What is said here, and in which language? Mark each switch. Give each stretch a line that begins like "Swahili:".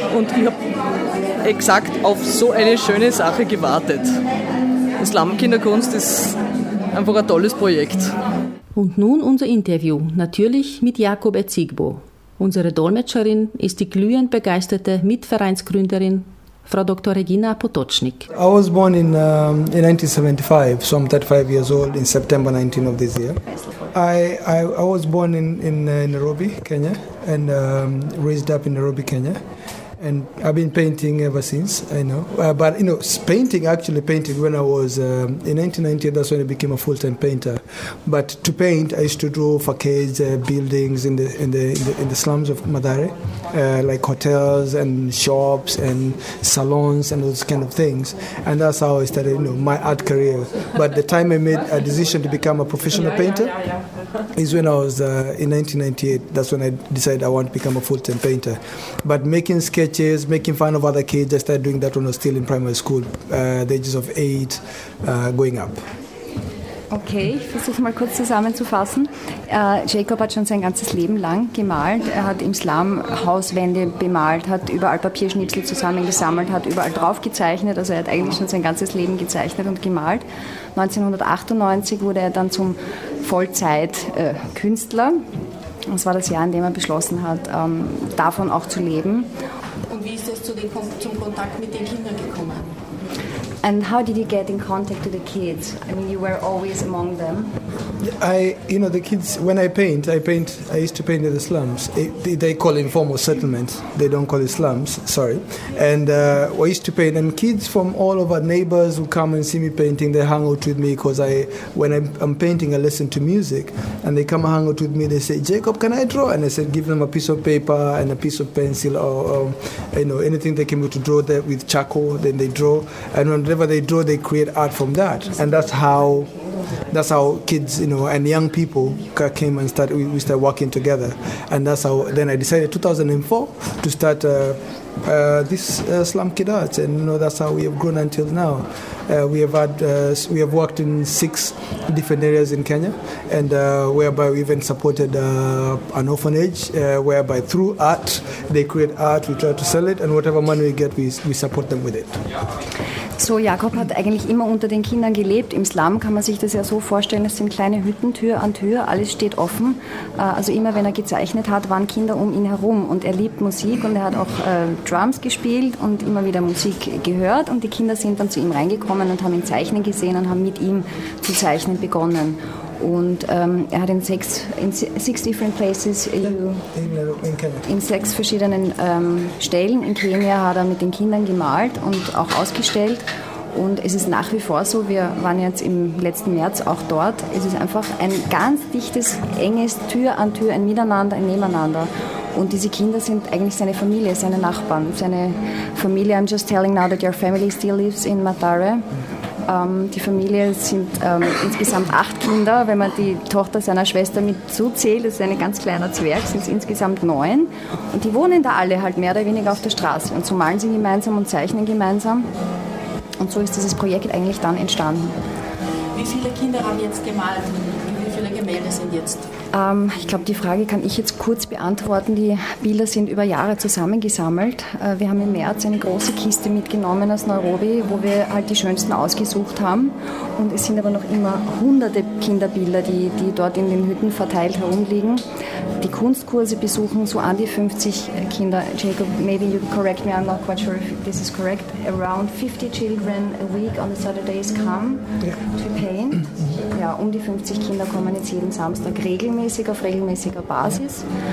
German: Und ich habe exakt auf so eine schöne Sache gewartet. Slum-Kinderkunst ist einfach ein tolles Projekt. Und nun unser Interview, natürlich mit Jacob Etzigbo. Unsere Dolmetscherin ist die glühend begeisterte Mitvereinsgründerin Frau Dr. Regina Potocznik.
English: I was born in 1975, so I'm 35 years old in September 19 of this year. I was born in Nairobi, Kenya, and raised up in Nairobi, Kenya, and I've been painting ever since. I know, but you know, painting when I was in 1990. That's when I became a full-time painter. But to paint, I used to draw facades, buildings in the slums of Madare. Like hotels and shops and salons and those kind of things. And that's how I started, you know, my art career. But the time I made a decision to become a professional painter is when I was in 1998. That's when I decided I want to become a full-time painter. But making sketches, making fun of other kids, I started doing that when I was still in primary school, the ages of 8, going up.
German: Okay, ich versuche mal kurz zusammenzufassen. Jacob hat schon sein ganzes Leben lang gemalt. Er hat im Slum Hauswände bemalt, hat überall Papierschnipsel zusammengesammelt, hat überall drauf gezeichnet. Also er hat eigentlich schon sein ganzes Leben gezeichnet und gemalt. 1998 wurde er dann zum Vollzeit-Künstler. Das war das Jahr, in dem er beschlossen hat, davon auch zu leben. Und wie ist das zum Kontakt mit den Kindern gekommen?
English: And how did you get in contact with the kids? I mean, you were always among them. The kids, when I paint, I used to paint in the slums. They call it informal settlements. They don't call it slums, sorry. And I used to paint, and kids from all over, neighbors who come and see me painting, they hang out with me because when I'm painting, I listen to music, and they come and hang out with me. They say, Jacob, can I draw? And I said, give them a piece of paper and a piece of pencil or anything they can do to draw that with charcoal. Then they draw, and whenever they draw, they create art from that. And that's how kids, and young people came and we started working together. And that's how, then I decided 2004 to start this Slum Kid Arts. And, that's how we have grown until now. We have worked in 6 different areas in Kenya, and whereby we even supported an orphanage, whereby through art, they create art, we try to sell it, and whatever money we get, we support them with it.
German: So, Jakob hat eigentlich immer unter den Kindern gelebt. Im Slum kann man sich das ja so vorstellen, es sind kleine Hütten, Tür an Tür, alles steht offen. Also immer, wenn er gezeichnet hat, waren Kinder um ihn herum. Und er liebt Musik und er hat auch Drums gespielt und immer wieder Musik gehört. Und die Kinder sind dann zu ihm reingekommen und haben ihn zeichnen gesehen und haben mit ihm zu zeichnen begonnen. Und er hat in sechs verschiedenen Stellen in Kenia hat er mit den Kindern gemalt und auch ausgestellt. Und es ist nach wie vor so, wir waren jetzt im letzten März auch dort, es ist einfach ein ganz dichtes, enges Tür an Tür, ein Miteinander, ein Nebeneinander. Und diese Kinder sind eigentlich seine Familie, seine Nachbarn, seine Familie.
English: I'm just telling now that your family still lives in Mathare.
German: Die Familie sind insgesamt 8 Kinder, wenn man die Tochter seiner Schwester mit zuzählt, das ist ein ganz kleiner Zwerg, sind es insgesamt 9. Und die wohnen da alle halt mehr oder weniger auf der Straße. Und so malen sie gemeinsam und zeichnen gemeinsam. Und so ist dieses Projekt eigentlich dann entstanden. Wie viele Kinder haben jetzt gemalt? Wie viele Gemälde sind jetzt? Ich glaube, die Frage kann ich jetzt kurz beantworten. Die Bilder sind über Jahre zusammengesammelt. Wir haben im März eine große Kiste mitgenommen aus Nairobi, wo wir halt die schönsten ausgesucht haben. Und es sind aber noch immer hunderte Kinderbilder, die dort in den Hütten verteilt herumliegen. Die Kunstkurse besuchen so an die 50 Kinder.
English: Jacob, maybe you correct me, I'm not quite sure if this is correct. Around 50 children a week on the Saturdays come to paint.
German: Ja, um die 50 Kinder kommen jetzt jeden Samstag regelmäßig, auf regelmäßiger Basis.